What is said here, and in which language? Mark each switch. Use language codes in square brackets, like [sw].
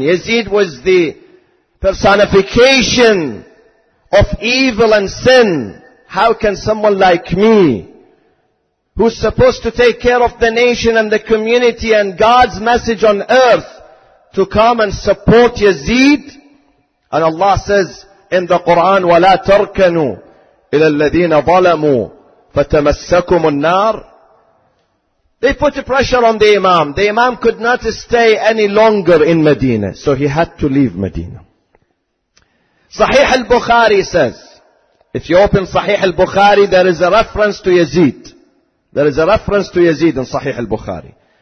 [en] Yazid was the personification of evil and sin. How can someone like me, who's supposed to take care of the nation and the community and God's message on earth, to come and support Yazid? And Allah says in the Quran, [ar] وَلَا تَرْكَنُوا إِلَى الَّذِينَ ظَلَمُوا فَتَمَسَّكُمُ النَّارِ. [en] They put pressure on the Imam. The Imam could not stay any longer in Medina, so he had to leave Medina. Sahih al-Bukhari says, if you open Sahih al-Bukhari, there is a reference to Yazid. There is a reference to Yazid in Sahih al-Bukhari.